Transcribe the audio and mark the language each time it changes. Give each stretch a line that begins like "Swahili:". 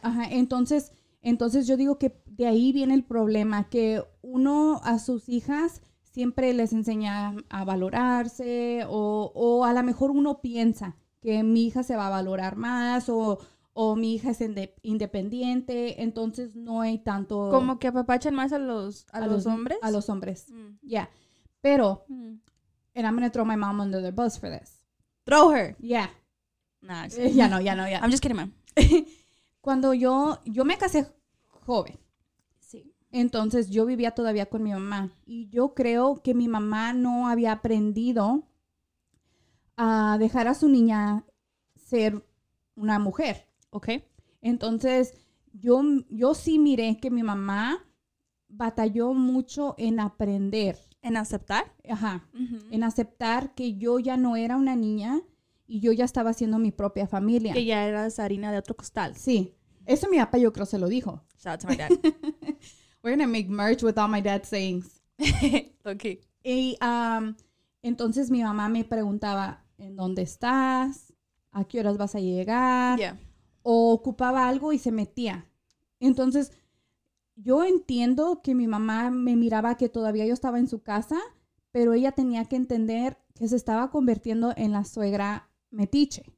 Spanish: Ajá, entonces yo digo que de ahí viene el problema, que uno a sus hijas siempre les enseña a valorarse o a lo mejor uno piensa que mi hija se va a valorar más o mi hija es independiente, entonces no hay tanto... ¿Como que apapachan más a los hombres? A los hombres, yeah.
English: Pero, and I'm going to throw my mom under the bus for this. Throw her. Yeah. Nah,
Spanish: ya no.
English: I'm just kidding, man.
Spanish: Cuando yo me casé joven. Sí. Entonces, yo vivía todavía con mi mamá. Y yo creo que mi mamá no había aprendido a dejar a su niña ser una mujer.
English: Ok.
Spanish: Entonces, yo sí miré que mi mamá batalló mucho en aprender. ¿En aceptar? Ajá. Uh-huh. En aceptar que yo ya no era una niña y yo ya estaba haciendo mi propia familia. Que ya eras harina de otro costal. Sí. Eso mi papá yo creo se lo dijo.
English: Shout out to my dad. We're gonna make merch with all my dad's sayings. Ok.
Spanish: Y entonces mi mamá me preguntaba, ¿en dónde estás? ¿A qué horas vas a llegar?
English: Yeah.
Spanish: O ocupaba algo y se metía. Entonces... yo entiendo que mi mamá me miraba que todavía yo estaba en su casa, pero ella tenía que entender que se estaba convirtiendo en la suegra metiche.